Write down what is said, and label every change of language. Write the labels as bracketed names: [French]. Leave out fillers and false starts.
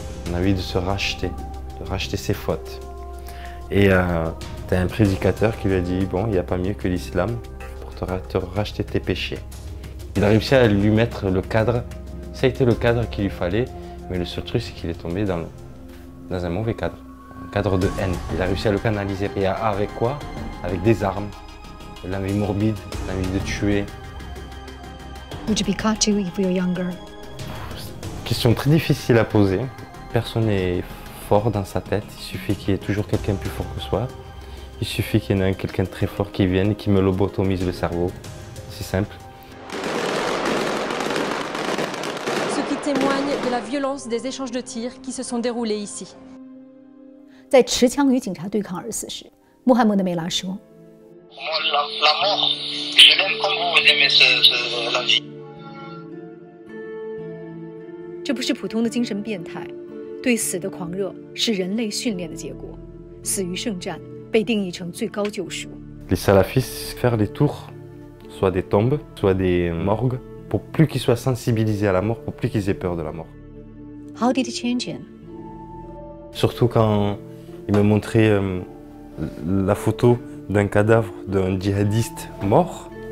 [French] On a envie de se racheter, de racheter ses fautes. Et t'as un prédicateur qui lui a dit, bon, il n'y a pas mieux que l'islam pour te racheter tes péchés. Il a réussi à lui mettre le cadre. Ça a été le cadre qu'il lui fallait, mais le seul truc, c'est qu'il est tombé dans un mauvais cadre, un cadre de haine. Il a réussi à le canaliser. Et avec quoi? Avec des armes, l'envie morbide, l'envie de tuer. [English] Would you be caught too if you were younger? [French] Question très difficile à poser. Personne n'est fort dans sa tête. Il suffit qu'il y ait toujours quelqu'un plus fort que soi. Il suffit qu'il y ait quelqu'un de très fort qui vienne et qui me lobotomise le cerveau. C'est simple. Ce qui témoigne de la violence des échanges de tirs qui se sont déroulés ici. [Chinese] 在持枪与警察对抗而死时，穆罕默德梅拉说。 [French] La mort. [Chinese] 这不是普通的精神变态，对死的狂热是人类训练的结果。死于圣战被定义成最高救赎。 [French] Les salafistes font des tours, soit des tombes, soit des morgues, pour plus qu'ils soient sensibilisés à la mort, pour plus qu'ils aient peur de la mort. [English] How did it change him? [French] Surtout quand il me montrait la photo d'un cadavre d'un djihadiste mort.